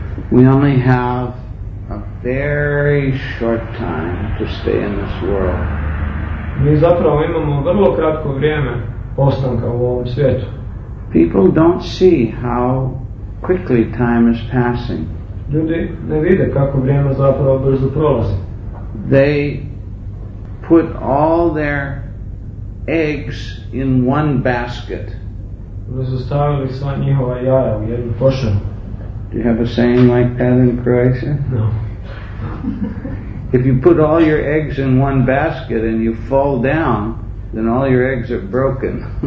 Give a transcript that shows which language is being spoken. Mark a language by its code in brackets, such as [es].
[en] We only have a very short time to stay in this world. [hr] Mi zapravo imamo vrlo kratko vrijeme ostanka u ovom svijetu. [en] People don't see how quickly time is passing. [hr] Ljudi ne vide kako vrijeme zapravo brzo prolazi. [en] They put all their eggs in one basket. [hr] Zostavili sva njihova jaja u jednu košaru. [en] Do you have a saying like that in Croatia? No. If you put all your eggs in one basket and you fall down, then all your eggs are broken.